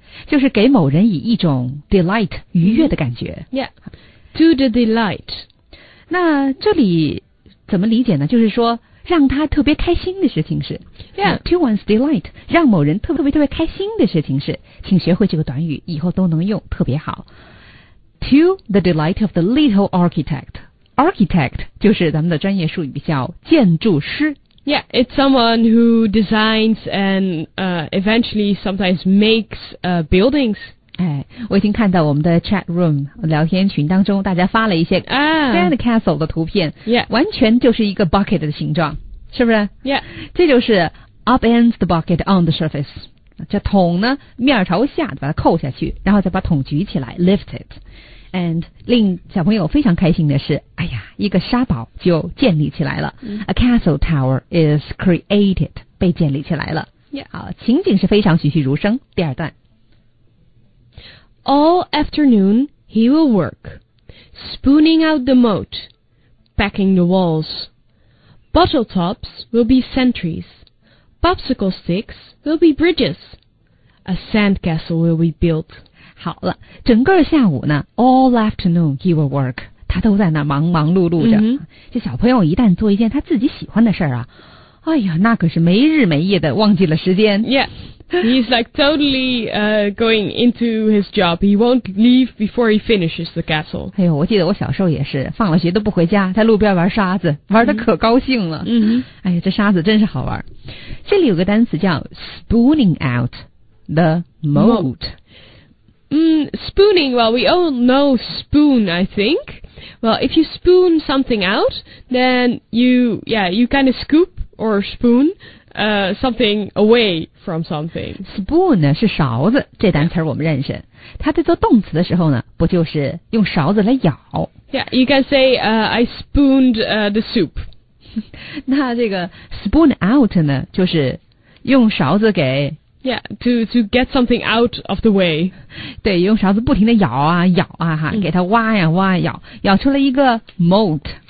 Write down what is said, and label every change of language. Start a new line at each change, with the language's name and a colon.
Chinese: 就是给某人以一种 delight 愉悦的感觉。
English: Yeah, to the delight.
Chinese: 那这里怎么理解呢？就是说让他特别开心的事情是。
English: Yeah, to one's delight,
Chinese: 让某人特别特别开心的事情是，请学会这个短语，以后都能用，特别好。
English: To the delight of the little architect.
Chinese: Architect 就是咱们的专业术语，叫建筑师。
English: Yeah, it's someone who designs and eventually sometimes makes buildings.
Chinese: 哎，我已经看到我们的 chat room 聊天群当中，大家发了一些 sand castle 的图片。
English: Yeah,
Chinese: 完全就是一个 bucket 的形状，是不是
English: ？Yeah,
Chinese: 这就是
English: upends the bucket on the surface.
Chinese: 这桶呢，面朝下把它扣下去，然后再把桶举起来 ，
English: lift it.
Chinese: And 令小朋友非常开心的是，哎呀，一个沙堡就建立起来了。
English: A castle tower is created,
Chinese: 被建立起来了。
English: Yeah.
Chinese: 好，情景是非常栩栩如生。第二段。
English: All afternoon, he will work, spooning out the moat, packing the walls. Bottle tops will be sentries. Popsicle sticks will be bridges. A sand castle will be built.
Chinese: 好了，整个下午呢 ，
English: all afternoon he will work，
Chinese: 他都在那忙忙碌碌着。 Mm-hmm. 这小朋友一旦做一件他自己喜欢的事儿啊，哎呀，那可是没日没夜的忘记了时间。
English: Yeah, he's like totally going into his job. He won't leave before he finishes the castle.
Chinese: 哎呦，我记得我小时候也是，放了学都不回家，在路边玩沙子，玩得可高兴了。 Mm-hmm. 哎呀，这沙子真是好玩。这里有个单词叫
English: spooning out the moat。 Spooning, well, we all know spoon, I think. Well, if you spoon something out, then you kind of scoop or spoon something away from something.
Chinese: Spoon 呢是勺子，这单词我们认识。它在做动词的时候呢，不就是用勺子来舀？
English: Yeah, you can say I spooned the soup.
Chinese: 那这个 spoon out 呢，就是用勺子给。
English: Yeah, to get something out of the way.
Chinese: 对，用勺子不停地舀啊舀啊哈，给它挖呀挖呀舀，舀出了一个 moat.